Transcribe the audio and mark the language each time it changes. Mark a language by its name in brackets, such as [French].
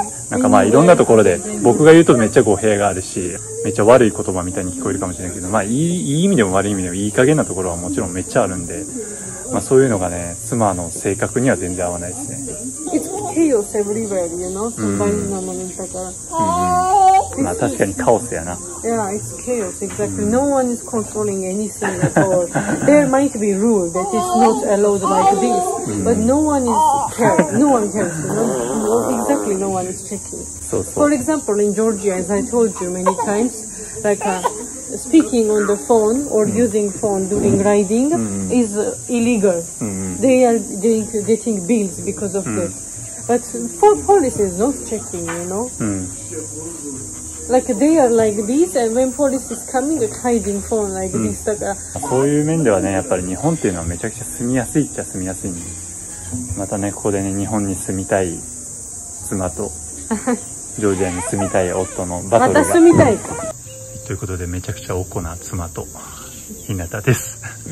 [Japanese] なんかまあいろんなところで、僕が言うとめっちゃ語弊があるし、めっちゃ悪い言葉みたいに聞こえるかもしれないけど、まあいい意味でも悪い意味でもいい加減なところはもちろんめっちゃあるんで、まあそういうのがね、妻の性格には全然合わないですね。 [English] It's chaos everywhere, you know? Sometimes I'm in Instagram. [Japanese] まあ確かにカオスやな。 [English] Yeah, it's chaos, exactly. No one is controlling anything at all. There might be rule that it's not allowed like this, but no one is care. No one cares. No, exactly, no one is checking. [Japanese] そうそう。 [English] For example, in Georgia, as I told you many times, like speaking on the phone or using phone during riding is illegal. They are getting bills because of that. But for police is not checking, you know. Like they are like this, and when police is coming, hiding phone like this. [Japanese] とか、そういう面ではね、やっぱり日本っていうのはめちゃくちゃ住みやすいっちゃ住みやすい、ね。またね、ここでね、日本に住みたい妻とジョージアに住みたい夫のバトルが。また住みたいか。ということで、めちゃくちゃおこな妻と日向です。